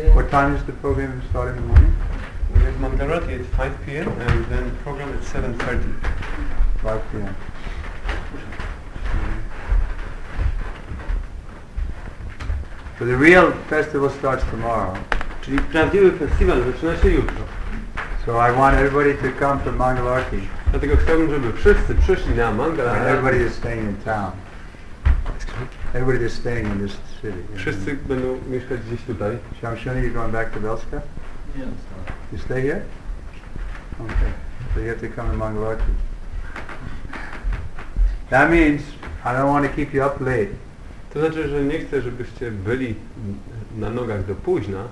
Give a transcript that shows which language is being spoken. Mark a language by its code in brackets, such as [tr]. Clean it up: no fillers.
[en] What time is the program starting in the morning? We have Mandarati at 5 p.m. and then program at 7:30. 5 p.m. So the real festival starts tomorrow. [pl] Czyli prawdziwy festiwal zaczyna się jutro. [en] So I want everybody to come to Mangalarti. [pl] Dlatego chciałbym, żeby wszyscy przyszli na Mangalarti. [en] And everybody is staying in town. Everybody is staying in this city. [pl] Wszyscy będą mieszkać gdzieś tutaj. [en] Shamshani, you're going back to Belska? Yes. You stay here? Okay. So you have to come to Mangalarti. That means I don't want to keep you up late. [pl] To znaczy, że nie chcę, żebyście byli na nogach do późna.